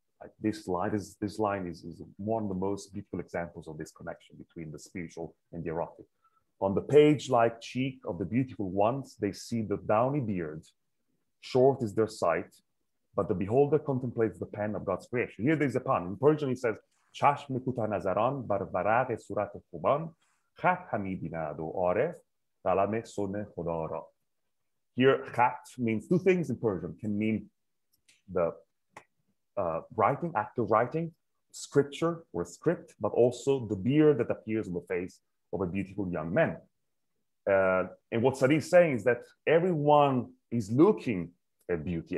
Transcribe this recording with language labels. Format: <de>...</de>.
<en>Like this line is one of the most beautiful examples of this connection between the spiritual and the erotic. On the page-like cheek of the beautiful ones, they see the downy beard. Short is their sight, but the beholder contemplates the pen of God's creation. Here there's a pun. In Persian, he says,</en> <fa>چشم کوتاه نظران بر ورق صورت خوبان خط همی بیند و عارف قلم صنع خدا را.</fa> <en>Here, khat means two things in Persian. Can mean the writing, act of writing, scripture or script, but also the beard that appears on the face of a beautiful young man. And what Sadi is saying is that everyone is looking at beauty.</en>